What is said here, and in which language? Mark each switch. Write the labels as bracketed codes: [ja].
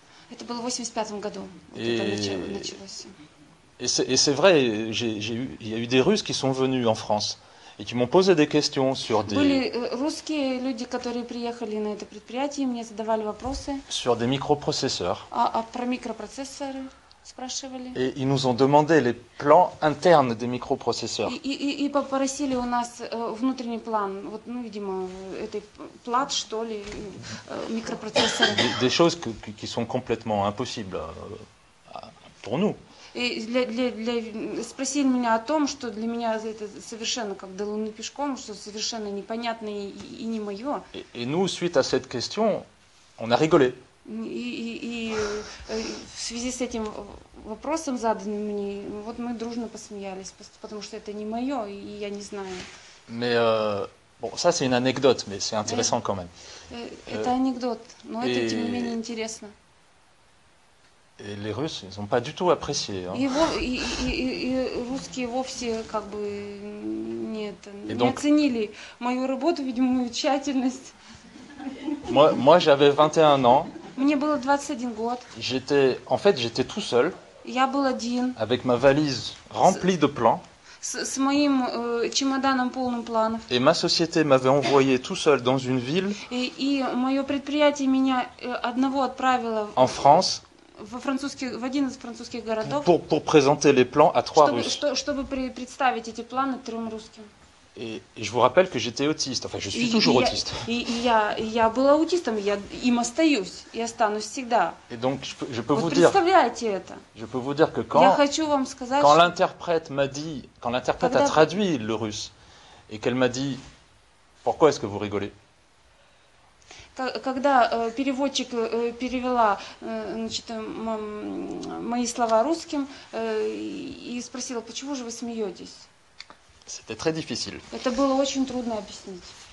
[ru] Это было в 85-м году, началось. [fr] Et c'est vrai, il y a eu des Russes qui sont venus en France et qui m'ont posé des questions sur des. [ru] Были русские люди, которые приехали на это предприятие, мне задавали вопросы. [fr] Sur des microprocesseurs. [ru] А про микропроцессоры спрашивали. [fr] Et ils nous ont demandé les plans internes des microprocesseurs. [ru] И попросили у нас внутренний план, вот, ну, видимо, этой плат, что ли, микропроцессоры. [fr] Des choses qui sont complètement impossibles pour nous. [ru] И для спросили меня о том, что для меня это совершенно как до луны пешком, что совершенно непонятно и не мое. [fr] Et nous, suite à cette question, on a rigolé. [ru] И в связи с этим вопросом, заданным мне, вот мы дружно посмеялись, потому что это не мое, и я не знаю. [fr] Mais, bon, ça c'est une anecdote, mais c'est intéressant quand même. [ru] Это анекдот, но это тем не менее интересно. [fr] Et les Russes, ils ont pas du tout apprécié. Hein. [ru] И русские вовсе как бы не оценили мою работу, видимо, мою тщательность. [fr] Moi j'avais 21 ans. [ru] Мне было 21 год. [fr] J'étais, en fait, j'étais tout seul. [ru] Я был один. [fr] Avec ma valise remplie de plans. [ru] С моим чемоданом полным планов. [fr] Et ma société m'avait envoyé tout seul dans une ville. [ru] И мое предприятие меня одного отправило. [fr] En France. [ru] В один из французских городов. [fr] Pour présenter les plans à trois Russes. [ru] Чтобы представить эти планы трем русским. [fr] Et je vous rappelle que j'étais autiste. Enfin, je suis toujours autiste. [ru] Я была аутистом, я им остаюсь, я останусь всегда. [fr] Et donc, je peux вот vous dire. [ru] Вот представляете это? [fr] Je peux vous dire que quand. [ru] Я хочу вам сказать. [fr] Quand l'interprète m'a dit, quand l'interprète a traduit le russe, et qu'elle m'a dit, pourquoi est-ce que vous rigolez? [ru] Когда переводчик перевела, значит, мои слова русским и спросила, почему же вы смеетесь? [fr] C'était très difficile. [ru] Это было очень трудно объяснить.